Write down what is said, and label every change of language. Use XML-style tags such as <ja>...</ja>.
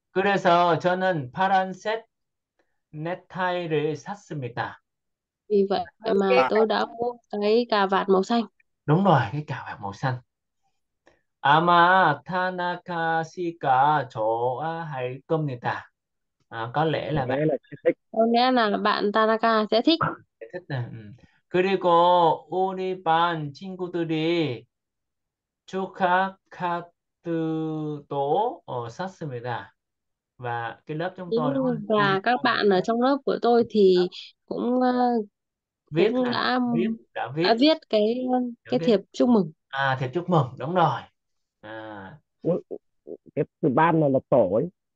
<ko>그래서 저는 파란색 넥타이를 샀습니다.</ko> <vi>Vì vậy mà tôi đã mua cái cà vạt màu xanh. Đúng rồi, cái cà vạt màu xanh.</vi> <ko>아마 타나카 씨가 좋아할 겁니다.</ko> <vi>À, có lẽ Có lẽ là sẽ có nghĩa là bạn Tanaka sẽ thích. thích nè.</vi> <ko>그리고 우리 반 친구들이 축하 카드도 샀습니다.</ko> <vi>Và cái lớp chúng tôi đúng không? Và các bạn ở trong lớp của tôi thì cũng Viết cũng hả? Viết, đã đã viết. viết Đã cái thiệp chúc mừng. À, thiệp chúc mừng, đúng rồi. À, cái ban này là tổ ấy.</vi>